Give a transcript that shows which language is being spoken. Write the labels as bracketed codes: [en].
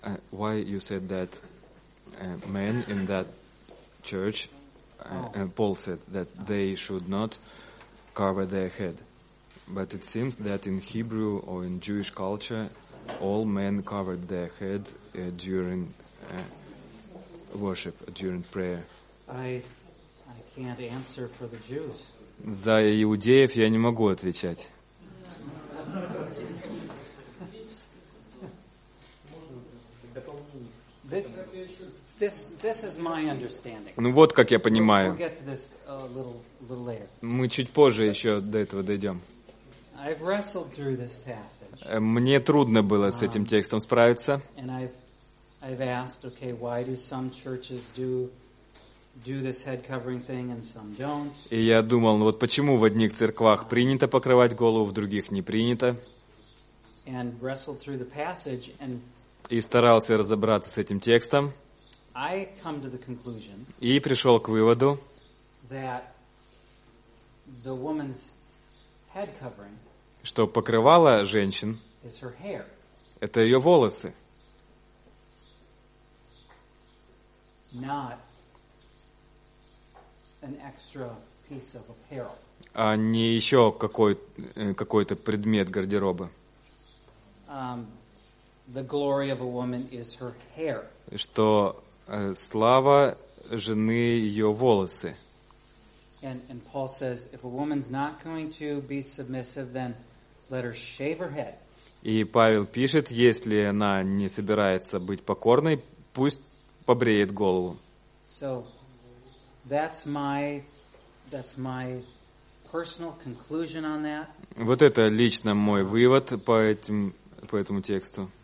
[en] Why you said that men in that church, Paul said that they should not cover their head. But it seems that in Hebrew or in Jewish culture, all men covered their head during worship, during prayer. I can't answer for the Jews. [ru] За иудеев я не могу отвечать. [en] This is my understanding. [ru] Ну вот как я понимаю. [en] We'll get to this a little later. [ru] Мы чуть позже еще до этого дойдем. [en] I've wrestled through this passage. [ru] Мне трудно было с этим текстом справиться. [en] And I've asked, okay, why do some churches do this head covering thing and some don't? [ru] И я думал, ну вот почему в одних церквах принято покрывать голову, в других не принято? [en] And wrestled through the passage and [ru] и старался разобраться с этим текстом. [en] I come to the conclusion, [ru] и пришел к выводу, [en] that the woman's head covering, [ru] что покрывало женщин [en] is her hair. [ru] Это ее волосы. [en] Not an extra piece of apparel. [ru] А не еще какой-то предмет гардероба. [en] The glory of a woman is her hair. [ru] Что слава жены ее волосы. [en] And Paul says, if a woman's not going to be submissive, then let her shave her head. [ru] И Павел пишет, если она не собирается быть покорной, пусть побреет голову. [en] So that's my personal conclusion on that. [ru] Вот это лично мой вывод по этому тексту.